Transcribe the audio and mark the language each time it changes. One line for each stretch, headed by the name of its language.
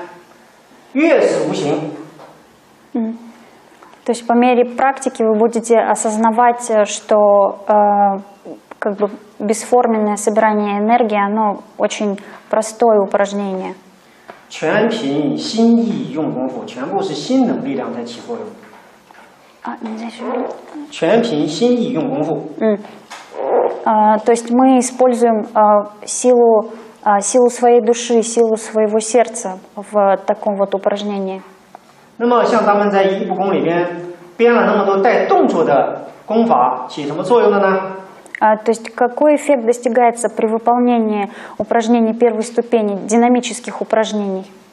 Chinese: 它的形态更是简单，越是无形。
Russian: То есть по мере практики вы будете осознавать, что как бы бесформенное собирание энергии, оно очень простое упражнение.
Chinese: 全凭心意用功夫，全部是心能力量在起作用。
Russian: А, не знаю.
Chinese: 全凭心意用功夫。
Russian: То есть мы используем силу своей души, силу своего сердца в таком вот упражнении.
Chinese: 那么像咱们在一步功里边编了那么多带动作的功法，起什么作用的呢？
Russian: То есть какой эффект достигается при выполнении упражнений первой ступени, динамических упражнений?